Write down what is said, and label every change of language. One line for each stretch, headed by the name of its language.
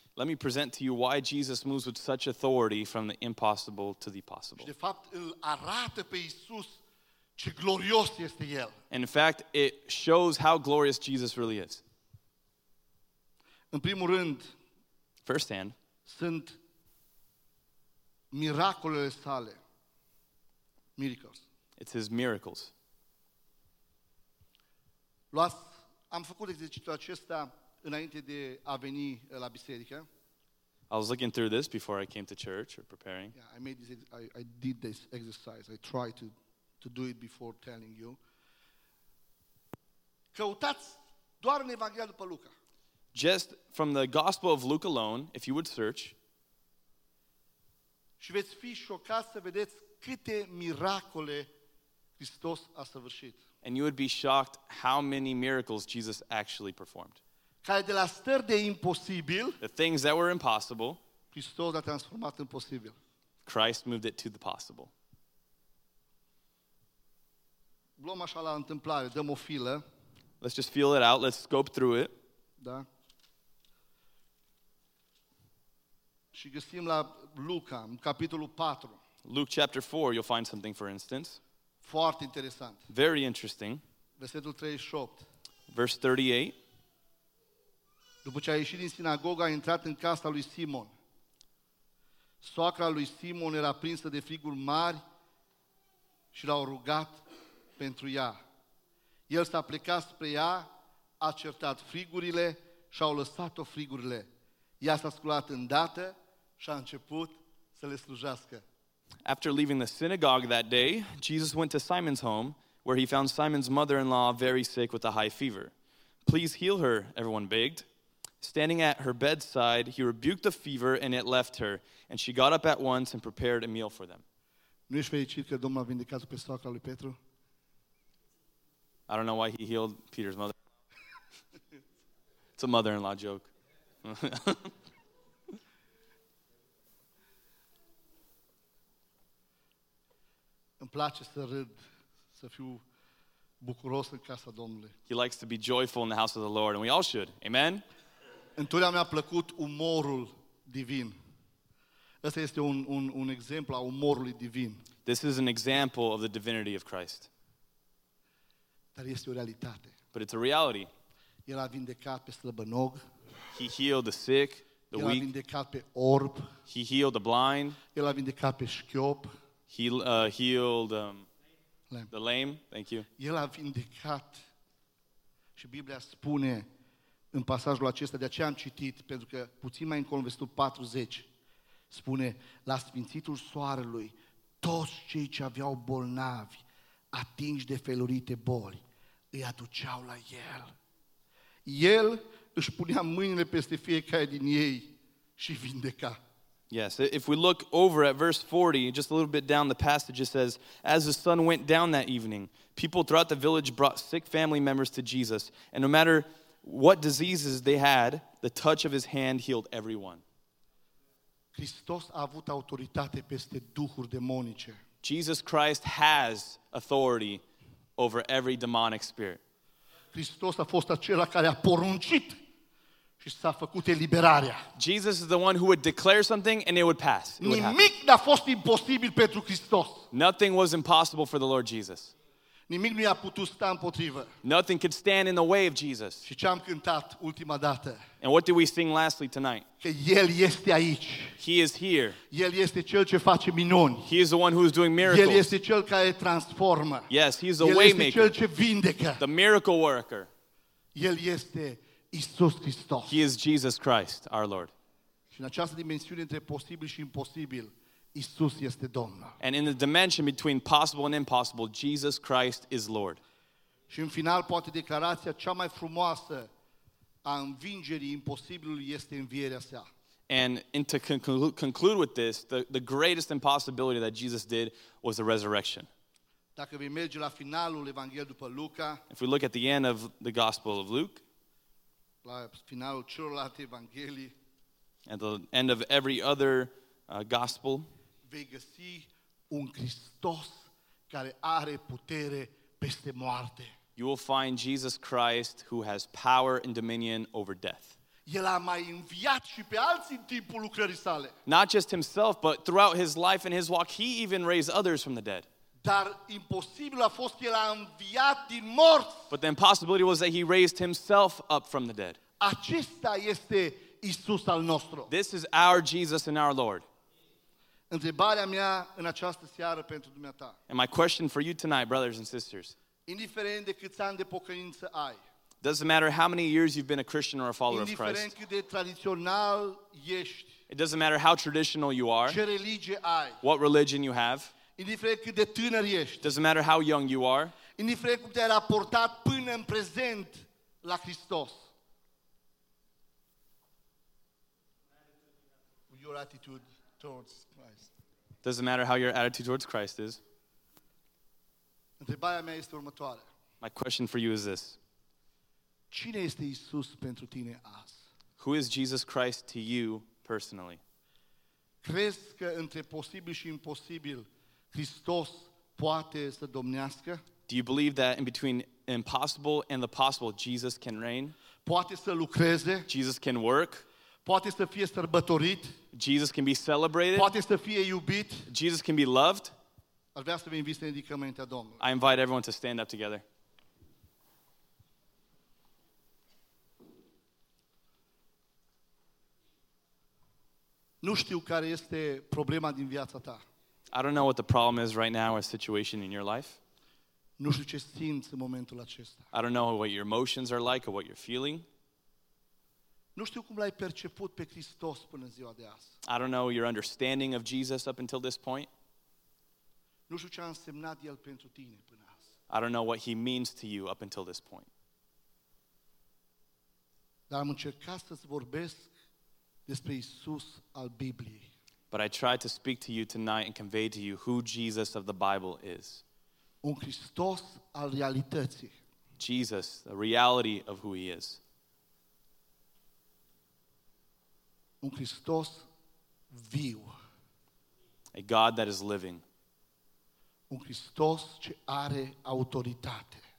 English: Let me present to you why Jesus moves with such authority from the impossible to the possible.
Romanian: Și de fapt îl arată pe Iisus ce glorios este El.
English: And in fact, it shows how glorious Jesus really is.
Romanian: În primul rând,
English: first hand,
Romanian: sunt miracolele sale.
English: Miracles. It's his miracles.
Romanian: Am făcut exercițiul acesta înainte de a veni la biserică.
English: I was looking through this before I came to church or preparing. Yeah, I made this I did this exercise. I tried to do it before telling you.
Romanian: Căutați doar în Evanghelia după Luca.
English: Just from the Gospel of Luke alone, if you would search.
Romanian: Și veți fi șocați să vedeți câte miracole Hristos a săvârșit.
English: And you would be shocked how many miracles Jesus actually performed.
Romanian: Care de la stări de imposibil,
English: the things that were impossible,
Romanian: Hristos a transformat în posibil.
English: Christ moved it to the possible.
Romanian: Luăm așa la întâmplare, dăm o filă.
English: Let's just feel it out, let's scope through it.
Romanian: Da. Și găsim la Luca, în capitolul 4.
English: Luke chapter 4, you'll find something for instance.
Romanian: Foarte interesant.
English: Very interesting.
Romanian: Versetul 38.
English: Verse 38.
Romanian: După ce a ieșit din sinagogă, a intrat în casa lui Simon. Soacra lui Simon era prinsă de friguri mari și l-au rugat pentru ea. El s-a plecat spre ea, a certat frigurile și au lăsat-o frigurile. Ea s-a sculat îndată și a început să le slujească.
English: After leaving the synagogue that day, Jesus went to Simon's home, where he found Simon's mother-in-law very sick with a high fever. "Please heal her," everyone begged. Standing at her bedside, he rebuked the fever and it left her, and she got up at once and prepared a meal for them.
Romanian: Nu ești fericit că Domnul a vindecat pe soacra lui Petru?
English: I don't know why he healed Peter's mother. It's a mother-in-law joke.
Romanian: Îmi place să râd, să fiu bucuros în casa Domnului.
English: He likes to be joyful in the house of the Lord, and we all should. Amen?
Romanian: Întotdeauna mi-a plăcut umorul divin. Ăsta este un exemplu a umorului divin.
English: This is an example of the divinity of Christ.
Romanian: Dar este o realitate.
English: But it's a reality.
Romanian: El a vindecat pe slăbănog.
English: He healed the sick, the weak.
Romanian: El a vindecat pe orb.
English: He healed the blind.
Romanian: El a vindecat pe șchiop.
English: He healed the lame. Thank you.
Romanian: El a vindecat. Și Biblia spune în pasajul acesta, de aceea am citit, pentru că puțin mai încolo, versetul 40, spune, la sfințitul soarelui, toți cei ce aveau bolnavi, atinși de felurite boli, îi aduceau la el. El își punea mâinile peste fiecare din ei și vindeca.
English: Yes, if we look over at verse 40, just a little bit down the passage, it says, as the sun went down that evening, people throughout the village brought sick family members to Jesus, and no matter what diseases they had, the touch of his hand healed everyone.
Romanian: Hristos a avut autoritate peste duhuri demonice.
English: Jesus Christ has authority over every demonic spirit.
Romanian: Hristos a fost acela care a poruncit și s-a făcut eliberarea.
English: Jesus is the one who would declare something and it would pass.
Romanian: Nimic n-a fost imposibil pentru Hristos.
English: Nothing was impossible for the Lord Jesus.
Romanian: Nimic nu i-a putut sta împotrivă.
English: Nothing could stand in the way of Jesus.
Romanian: Și ce am cântat ultima dată?
English: And what did we sing lastly tonight?
Romanian: Că El este aici.
English: He is here.
Romanian: El este Cel ce face minuni.
English: He is the one who is doing miracles.
Romanian: El este Cel care transformă.
English: Yes, He is the way maker.
Romanian: El este Cel ce vindecă.
English: The miracle worker.
Romanian: El este Iisus Hristos.
English: He is Jesus Christ, our Lord.
Romanian: Și în această dimensiune între posibil și imposibil, Iisus este Domnul.
English: And in the dimension between possible and impossible, Jesus Christ is Lord.
Romanian: Și în final, poate declarația cea mai frumoasă a învingerii imposibilului este învierea sa.
English: And to conclude with this, the greatest impossibility that Jesus did was the resurrection.
Romanian: Dacă vei merge la finalul Evangheliei după Luca,
English: if we look at the end of the Gospel of Luke,
Romanian: la finalul celorlalte evanghelii,
English: at the end of every other gospel,
Romanian: vei găsi un Hristos care are putere peste moarte.
English: You will find Jesus Christ who has power and dominion over death.
Romanian: El a mai înviat și pe alții în timpul lucrării sale.
English: Not just himself, but throughout his life and his walk, he even raised others from the dead.
Romanian: Dar imposibil a fost el a înviat din morți.
English: But the impossibility was that he raised himself up from the dead.
Romanian: Acesta este Iisus al nostru.
English: This is our Jesus and our Lord.
Romanian: Întrebarea mea în această seară pentru dumneata.
English: And my question for you tonight, brothers and sisters.
Romanian: Indiferent de câți ani de pocăință ai.
English: Doesn't matter how many years you've been a Christian or a follower of Christ.
Romanian: Indiferent cât de tradițional ești.
English: It doesn't matter how traditional you are.
Romanian: Ce religie ai.
English: What religion you have.
Romanian: Indiferent cât de tânăr ești.
English: Doesn't matter how young you are.
Romanian: Indiferent cum te-ai raportat până în prezent la Hristos.
English: Your attitude towards doesn't matter how your attitude towards Christ is.
Romanian: Întrebarea mea este următoare.
English: My question for you is this.
Romanian: Cine este Iisus pentru tine azi?
English: Who is Jesus Christ to you personally?
Romanian: Crezi că între posibil și imposibil Hristos poate să domnească?
English: Do you believe that in between impossible and the possible Jesus can reign?
Romanian: Poate să lucreze?
English: Jesus can work?
Romanian: Poate să fie sărbătorit?
English: Jesus can be celebrated.
Romanian: Poate să fie iubit.
English: Jesus can be loved.
Romanian: Aș vrea să vă invit să ne ridicăm înaintea Domnului.
English: I invite everyone to stand up together.
Romanian: Nu știu care este problema din viața ta.
English: I don't know what the problem is right now or situation in your life.
Romanian: Nu știu ce simți în momentul acesta.
English: I don't know what your emotions are like or what you're feeling.
Romanian: Nu știu cum l-ai perceput pe Hristos până ziua de azi.
English: I don't know your understanding of Jesus up until this point.
Romanian: Nu știu ce a însemnat El pentru tine până azi.
English: I don't know what He means to you up until this point.
Romanian: Dar am încercat să-ți vorbesc despre Iisus al Bibliei.
English: But I tried to speak to you tonight and convey to you who Jesus of the Bible is.
Romanian: Un Hristos al realității.
English: Jesus, the reality of who He is.
Romanian: Un Hristos viu.
English: A God that is living.
Romanian: Un Hristos ce are autoritate.